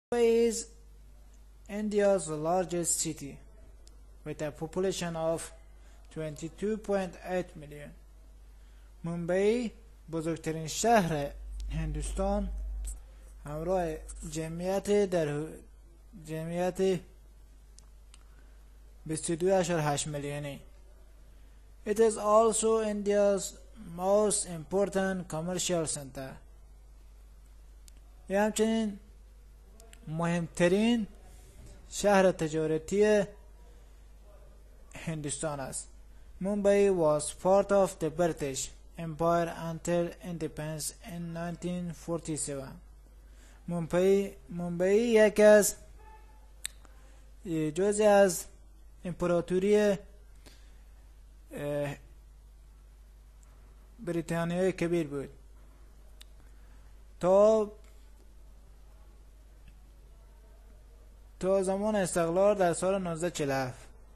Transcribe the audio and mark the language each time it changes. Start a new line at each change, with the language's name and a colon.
English: Mumbai is India's largest city, with a population of 22.8 million.
Persian: Mumbai, بزرگترین شهر هندوستان، همراه جمعیت 22.8 میلیونی.
English: It is also India's most important commercial center.
Persian: یه همچنین مهمترین شهر تجارتی هندوستان است.
English: Mumbai was part of the British Empire until independence in 1947.
Persian: Mumbai یکی از جزی از امپراتوری بریتانیای کبیر بود تا زمان استقلال در سال 1947.